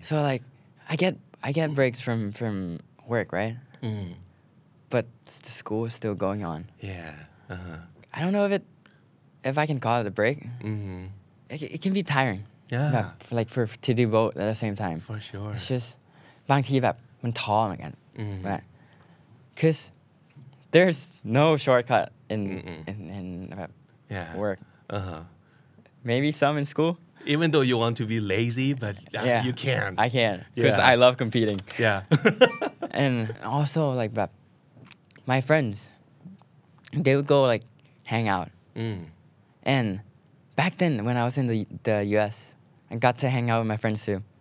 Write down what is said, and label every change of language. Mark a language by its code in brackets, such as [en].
[en] So, like, I get breaks from work, right? But the school is still going on. Yeah. I don't know if I can call it a break. It can be tiring. Yeah. [th] แบบ [en] for, like for to do both at the same time. For sure. It's just [th] บางทีแบบมันท้อเหมือนกัน [en] Because there's no shortcut in [th] แบบ [en] work. Maybe some in school. Even though you want to be lazy, but you can. I can. Because I love competing. Yeah. And also like [th] แบบ [en] my friends, they would go like hang out. And back then when I was in the U.S. I got to hang out with my friends too.